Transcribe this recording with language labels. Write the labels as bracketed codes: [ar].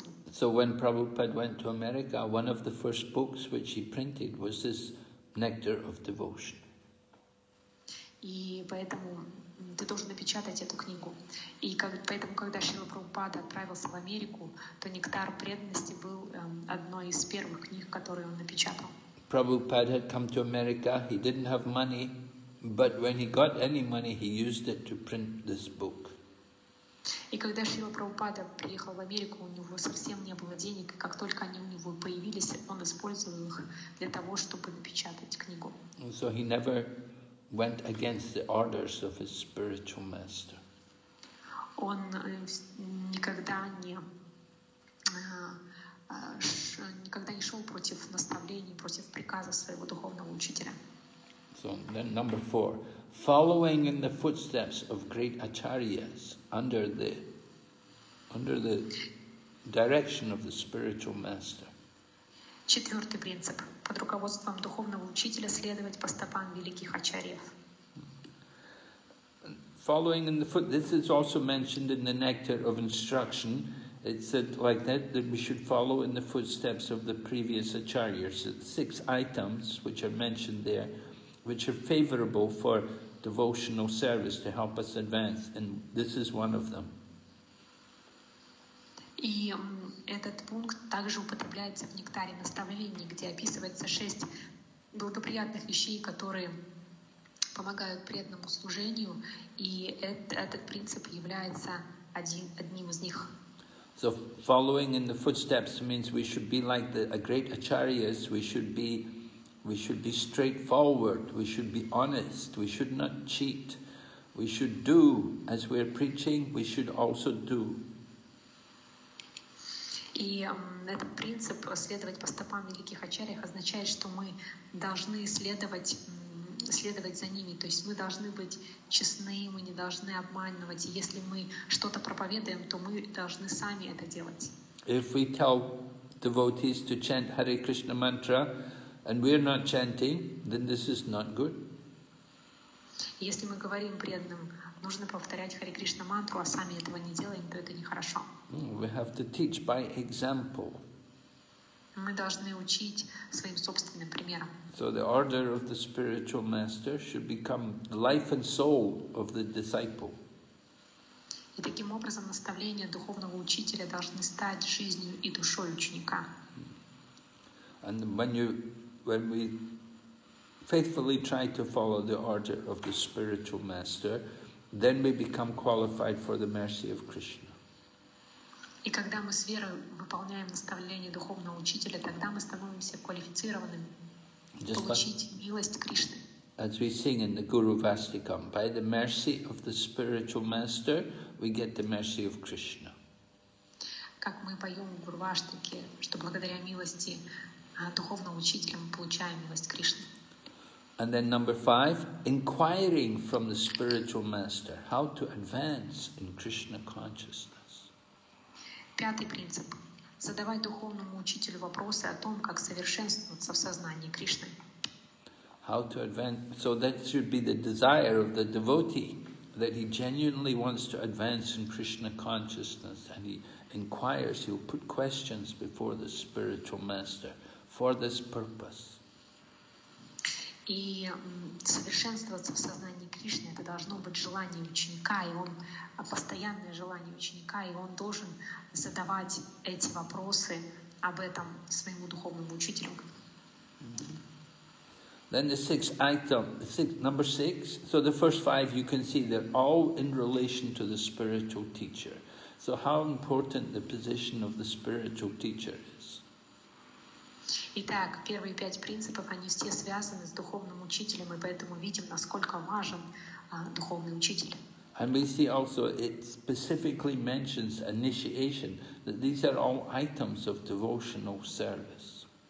[en] So when Prabhupada went to America, one of the first books which he printed was this Nectar of Devotion. [ru] И поэтому ты должен напечатать эту книгу. И как, поэтому, когда Шрила Прабхупада отправился в Америку, то Нектар преданности был одной из первых книг, которые он напечатал. [en] Prabhupada had come to America. He didn't have money, but when he got any money, he used it to print this book. [ru] И когда Шрила Прабхупада приехал в Америку, у него совсем не было денег. И как только они у него появились, он использовал их для того, чтобы напечатать книгу. [en] So he never went against the orders of his spiritual master. [ru] Он никогда не шел против наставлений, против приказа своего духовного учителя. [en] So then number four. Following in the footsteps of great acharyas under the direction of the spiritual master. [ru] Четвертый принцип. Под руководством духовного учителя следовать по стопам великих ачарьев. [en] Following in the foot, this is also mentioned in the Nectar of Instruction. It said like that, that we should follow in the footsteps of the previous acharyas. Six items which are mentioned there, which are favorable for devotional service to help us advance, and this is one of them. [ru] И этот пункт также употребляется в Нектаре наставлений, где описывается шесть благоприятных вещей, которые помогают преданному служению, и этот принцип является одним из них. [en] So following in the footsteps means we should be like the great acharyas. We should be straightforward, we should be honest, we should not cheat, we should do as we are preaching, we should also do. [ru] И этот принцип следовать по стопам великих ачарьев означает, что мы должны следовать за ними, то есть мы должны быть честны, мы не должны обманывать, и если мы что-то проповедуем, то мы должны сами это делать. [en] If we tell devotees to chant Hare Krishna mantra, and we are not chanting, then this is not good. [ru] Если мы говорим преданным, нужно повторять Хари Кришна мантру, а сами этого не делаем, то это нехорошо. [en] We have to teach by example. [ru] Мы должны учить своим собственным примером. [en] So the order of the spiritual master should become life and soul of the disciple. [ru] И таким образом наставления духовного учителя должны стать жизнью и душой ученика. [en] And when we faithfully try to follow the order of the spiritual master, then we become qualified for the mercy of Krishna. [ru] И когда мы с верой выполняем наставление духовного учителя, тогда мы становимся квалифицированными получить милость Кришны. [en] As we sing in the Guru Vastikam, by the mercy of the spiritual master, we get the mercy of Krishna. [ru] Как мы поем в Гуру Вастике, что благодаря милости духовного учителя мы получаем милость Кришны. [en] And then number five, inquiring from the spiritual master how to advance in Krishna consciousness. [ru] Пятый принцип. Задавать духовному учителю вопросы о том, как совершенствоваться в сознании Кришны. [en] How to advance? So that should be the desire of the devotee, that he genuinely wants to advance in Krishna consciousness, and he inquires, he'll put questions before the spiritual master for this purpose. [ru] И совершенствоваться в сознании Кришны — это должно быть желание ученика, и он постоянное желание ученика, и он должен задавать эти вопросы об этом своему духовному учителю. Mm-hmm. [en] Then the sixth item, number six. So the first five, you can see they're all in relation to the spiritual teacher. So how important the position of the spiritual teacher is. [ru] Итак, первые пять принципов, они все связаны с духовным учителем, и поэтому видим, насколько важен духовный учитель. [en] And we see also it specifically mentions initiation, that these are all items of devotional service.